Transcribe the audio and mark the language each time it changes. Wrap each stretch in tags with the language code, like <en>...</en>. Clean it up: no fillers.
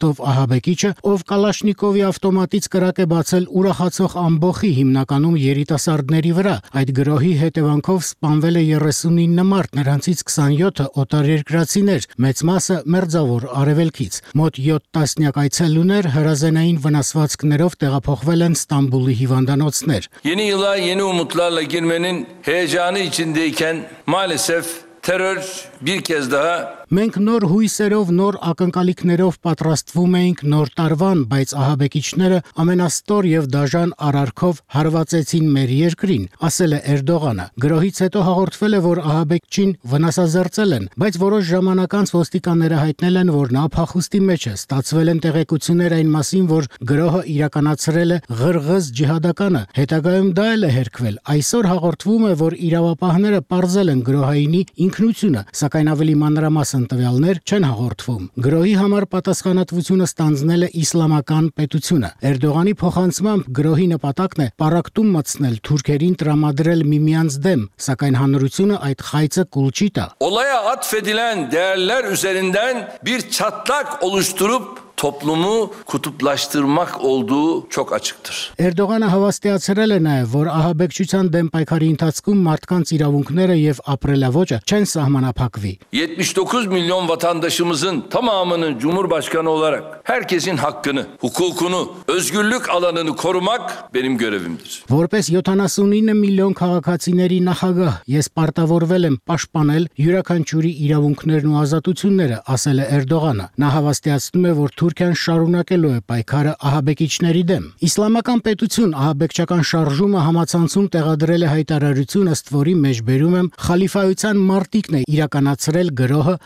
<hy>Ռոստով Ահաբեկիչը, ով Կալաշնիկովի ավտոմատից կրակ է բացել ուրախացող ամբոխի հիմնականում երիտասարդների վրա։ Այդ գրոհի հետևանքով սպանվել է 39 մարդ, նրանցից 27-ը օտարերկրացիներ, մեծ մասը մերձավոր արևելքից։ Մոտ 7 տասնյակ այցելուներ հրազենային վնասվածքներով տեղափոխվել են Ստամբուլի հիվանդանոցներ։</hy> <tr>Yeni yıla yeni umutlarla girmenin heyecanı içindeyken maalesef terör bir kez daha</tr> <hy>Մենք նոր հույսերով, նոր ակնկալիքներով պատրաստվում էինք նոր տարվան, բայց ահաբեկիչները ամենաստոր եւ դաժան արարքով հարվածեցին մեր երկրին, ասել է Էրդողանը։ Գրոհից հետո հաղորդվել է, որ ահաբեկչին վնասազերծել են, բայց որոշ ժամանակ անց ոստիկանները հայտնել են, որ նա փախուստի մեջ է։ Ստացվել են տեղեկություններ այն մասին, որ գրոհը իրականացրել է ղրղզ ջիհադականը։ Հետագայում դա էլ է հերքվել։ Այսօր հաղորդվում է, որ իրավապահները պարզել են գրոհայինի ինքնությունը, սակայն ավելի մանրամասն ասանտվյալներ չեն հաղորդվում։ Գրոհի համար պատասխանատվությունը ստանձնել է Իսլամական պետությունը։ Էրդողանի փոխանցմամբ գրոհի նպատակն է պարակտում մտցնել թուրքերին, տրամադրել միմյանց դեմ, սակայն հանրությունը այդ խայծը կուլ չի տա։</hy> <tr>Olaya atfedilen değerler üzerinden bir çatlak oluşturup toplumu kutuplaştırmak olduğu çok açıktır.</tr> <hy>Էրդողանը հավաստիացրել է նաև, որ ահաբեկչության դեմ պայքարի ընթացքում մարդկանց իրավունքները եւ ապրելավոճը չեն սահմանափակվի։</hy> <tr>79 միլիոն vatandaşımızın tamamını Cumhurbaşkanı olarak herkesin hakkını, hukukunu, özgürlük alanını korumak benim görevimdir.</tr> <hy>Որպես 79 միլիոն քաղաքացիների նախագահ ես պարտավորվել եմ պաշտպանել յուրաքանչյուրի իրավունքներն ու ազատությունները, ասել է Էրդողանը։ Նա հավաստիացնում է, որ Թուրքիան շարունակելու է պայքարը ահաբեկիչների դեմ։ Իսլամական պետություն ահաբեկչական շարժումը համացանցում տեղադրել է հայտարարություն, ըստ որի մեջբերում եմ խալիֆայության մարտիկն է իրականացրել գրոհը</hy>